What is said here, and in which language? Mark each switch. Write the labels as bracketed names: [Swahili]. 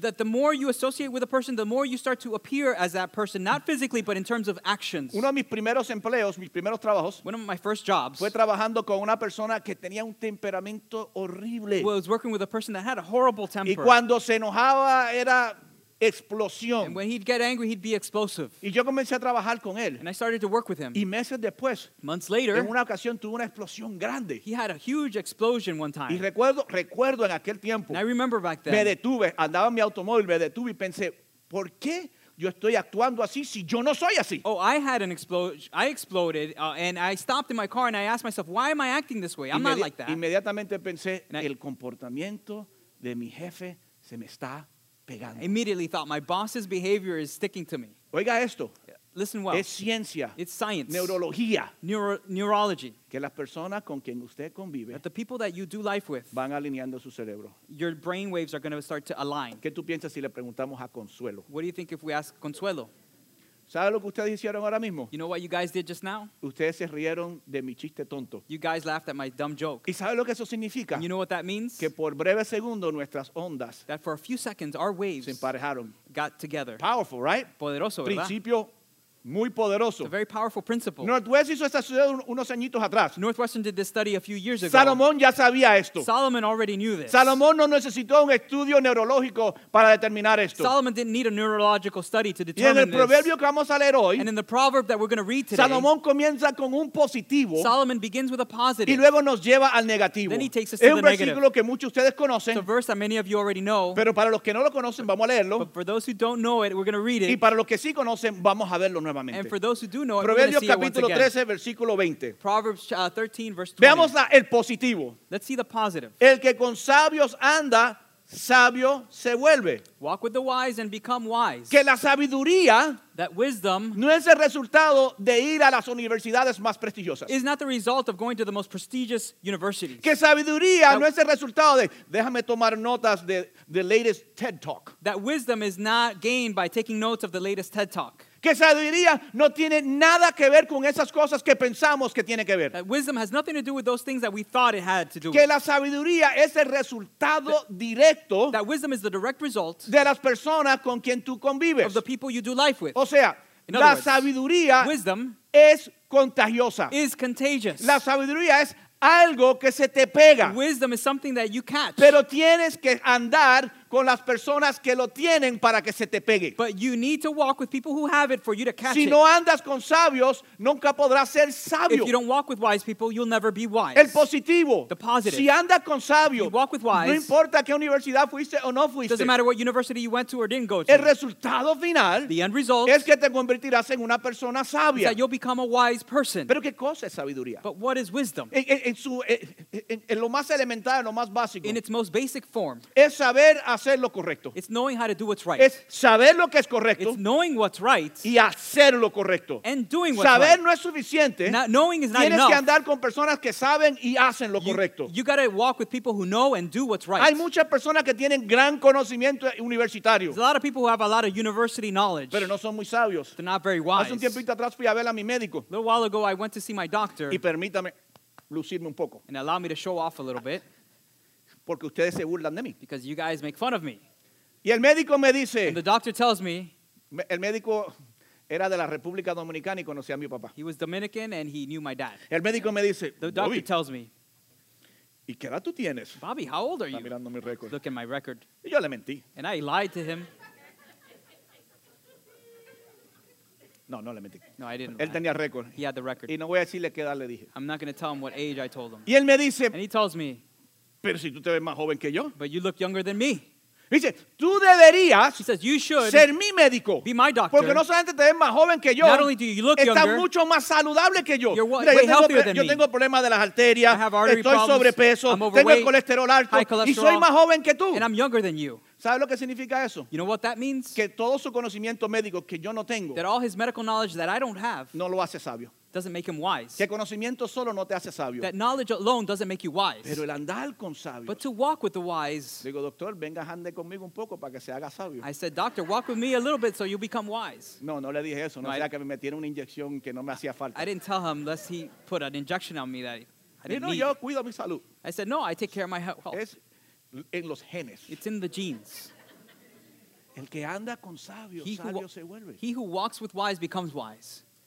[English] That the more you associate with a person, the more you start to appear as that person, not physically, but in terms of actions. [Spanish] Uno de mis primeros empleos, mis primeros trabajos, [English] one of my first jobs, [Spanish] fue trabajando con una persona que tenía un temperamento horrible. [English] Was working with a person that had a horrible temper. [Spanish] Y cuando se enojaba era explosión. [English] And when he'd get angry, he'd be explosive. [Spanish] Y yo comencé a trabajar con él. [English] And I started to work with him. [Spanish] Y meses después, [English] months later, [Spanish] en una ocasión tuvo una explosión grande. [English] He had a huge explosion one time. [Spanish] Y recuerdo en aquel tiempo, [English] and I remember back then, [Spanish] me detuve, andaba en mi automóvil, me detuve y pensé, ¿por qué? Yo estoy actuando así si yo no soy así. [English] Oh, I had an explosion. I exploded and I stopped in my car and I asked myself, why am I acting this way? I'm not like that. [Spanish] Inmediatamente pensé, el comportamiento de mi jefe se me está pegando. [English] I immediately thought, my boss's behavior is sticking to me. [Spanish] Oiga esto. [English] Listen well. [Spanish] Es ciencia. [English] It's science. [Spanish] Neurología. [English] Neurology. [Spanish] Que las personas con quien usted convive, [English] that the people that you do life with, [Spanish] van alineando su cerebro. [English] Your brain waves are going to start to align. [Spanish] ¿Qué tú piensas si le preguntamos a Consuelo? [English] What do you think if we ask Consuelo? [Spanish] ¿Sabe lo que ustedes hicieron ahora mismo? [English] You know what you guys did just now? [Spanish] Ustedes se rieron de mi chiste tonto. [English] You guys laughed at my dumb joke. [Spanish] ¿Y sabe lo que eso significa? [English] And you know what that means? [Spanish] Que por breve segundo nuestras ondas, [English] that for a few seconds our waves, [Spanish] se emparejaron. [English] Got together. Powerful, right? [Spanish] Poderoso, ¿verdad? Principio muy poderoso. [English] It's a very powerful principle. [Spanish] Northwestern hizo esta estudio unos añitos atrás. [English] Northwestern did this study a few years ago. [Spanish] Salomón ya sabía esto. [English] Solomon already knew this. [Spanish] Salomón no necesitó un estudio neurológico para determinar esto. [English] Solomon didn't need a neurological study to determine this. [Spanish] Y en el proverbio que vamos a leer hoy, [English] and in the proverb that we're going to read today, [Spanish] Salomón comienza con un positivo. [English] Solomon begins with a positive. [Spanish] Y luego nos lleva al negativo. [English] Then he takes us to the negative. [Spanish] Es un versículo que muchos de ustedes conocen. [English] It's a verse that many of you already know. [Spanish] Pero para los que no lo conocen, vamos a leerlo. [English] But for those who don't know it, we're going to read it. [Spanish] Y para los que sí conocen, vamos a verlo nuevamente. [English] And for those who do know, [Spanish] Proverbios [English] we're going to see it once again. [Spanish] 13, versículo 20. [English] Proverbs 13, verse 20. [Spanish] Veamos el positivo. [English] Let's see the positive. [Spanish] El que con sabios anda, sabio se vuelve. [English] Walk with the wise and become wise. [Spanish] Que la sabiduría, [English] that wisdom, [Spanish] no es el resultado de ir a las universidades más prestigiosas. [English] Is not the result of going to the most prestigious universities. [Spanish] Que sabiduría no es el resultado de déjame tomar notas de [English] the latest TED Talk. That wisdom is not gained by taking notes of the latest TED Talk. [Spanish] Que sabiduría no tiene nada que ver con esas cosas que pensamos que tiene que ver. [English] That wisdom has nothing to do with those things that we thought it had to do with. [Spanish] Que la sabiduría es el resultado directo. [English] That wisdom is the direct result. [Spanish] De las personas con quien tú convives. [English] Of the people you do life with. [Spanish] O sea, la sabiduría, [English] wisdom, [Spanish] es contagiosa. [English] Is contagious. [Spanish] La sabiduría es algo que se te pega. [English] Wisdom is something that you catch. [Spanish] Pero tienes que andar con las personas que lo tienen para que se te pegue. [English] But you need to walk with people who have it for you to catch it. [Spanish] Si no andas con sabios, nunca podrás ser sabio. [English] If you don't walk with wise people, you'll never be wise. [Spanish] El positivo. [English] The positive. [Spanish] Si andas con sabios, [English] you walk with wise, [Spanish] no importa qué universidad fuiste o no fuiste. [English] Doesn't matter what university you went to or didn't go to. [Spanish] El resultado final, [English] the end result, [Spanish] es que te convertirás en una persona sabia. [English] Is that you'll become a wise person. [Spanish] Pero qué cosa es sabiduría. [English] But what is wisdom? [Spanish] En lo más elemental, lo más básico. [English] In its most basic form. [Spanish] Es saber hacer lo correcto. [English] It's knowing how to do what's right. [Spanish] Es saber lo que es correcto. [English] It's knowing what's right. [Spanish] Y hacer lo correcto. [English] And doing what's [Spanish] saber [English] right. [Spanish] No es suficiente. [English] Not, knowing is not [Spanish] Tienes [English] enough. [Spanish] Tienes que andar con personas que saben y hacen lo correcto. [English] You gotta walk with people who know and do what's right. [Spanish] Hay muchas personas que tienen gran conocimiento universitario. [English] There's a lot of people who have a lot of university knowledge. [Spanish] Pero no son muy sabios. [English] They're not very wise. [Spanish] Hace un tiempito atrás fui a ver a mi médico. [English] A little while ago I went to see my doctor. [Spanish] Y permítame lucirme un poco. [English] And allow me to show off a little bit. [Spanish] Porque ustedes se burlan de mí. [English] Because you guys make fun of me. [Spanish] Y el médico me dice. [English] And the doctor tells me. [Spanish] El médico era de la República Dominicana y conocía a mi papá. [English] He was Dominican and he knew my dad. [Spanish] El médico me dice. [English] The doctor Bobby, tells me. [Spanish] ¿Y qué edad tú tienes? [English] Bobby, how old are you? [Spanish] Está mirando mi récord. [English] Look at my record. [Spanish] Y yo le mentí. [English] And I lied to him. [Spanish] No, no le mentí. [English] No, I didn't. [Spanish] Él lie. Tenía récord. [English] He had the record. [Spanish] Y no voy a decirle qué edad le dije. [English] I'm not going to tell him what age I told him. [Spanish] Y él me dice. [English] And he tells me. [Spanish] Pero si tú te ves más joven que yo. [English] But you look younger than me. [Spanish] Dice, tú deberías [English] he says, you should [Spanish] ser mi médico. [English] Be my doctor. [Spanish] Porque no solamente te ves más joven que yo. [English] Not only do you look [Spanish] estás [English] younger, [Spanish] mucho más saludable que yo. [English] You're [Spanish] Mira, [English] way [Spanish] yo [English] healthier than [Spanish] yo [English] me. [Spanish] Tengo problemas de las arterias. [English] I have artery [Spanish] estoy [English] problems, [Spanish] sobrepeso. [English] I'm [Spanish] tengo el colesterol alto. [English] High cholesterol, [Spanish] y soy más joven que tú. [English] And I'm younger than you. [Spanish] ¿Sabes lo que significa eso? [English] You know what that means? [Spanish] Que todo su conocimiento médico que yo no tengo. [English] That all his medical knowledge that I don't have. [Spanish] No lo hace sabio. [English] Doesn't make him wise. [Spanish] Que conocimiento solo no te hace sabio. [English] That knowledge alone doesn't make you wise. [Spanish] Pero el andar con sabios. [English] But to walk with the wise. [Spanish] Digo, doctor, venga, ande conmigo un poco para que se haga sabio. [English] I said, doctor, walk with me a little bit so you become wise. [Spanish] No, no le dije eso. No, no era que me metiera una inyección que no me hacía falta. [English] I didn't tell him unless he put an injection on me that I didn't need. [Spanish] No, yo cuido mi salud. [English] I said, no, I take care of my health. [Spanish] Es en los genes. [English] It's in the genes. [Spanish] El que anda con sabios, sabio se vuelve. [English] He who walks with wise becomes wise.